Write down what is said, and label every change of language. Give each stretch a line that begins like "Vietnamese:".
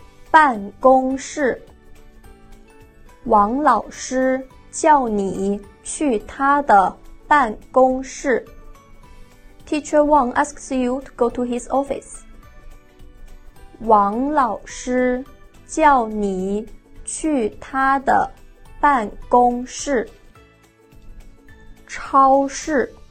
Chinese: 办公室。王老师叫你去他的办公室。
English: Teacher Wang asks you to go to his office.
Chinese: 王老师叫你去他的办公室。超市。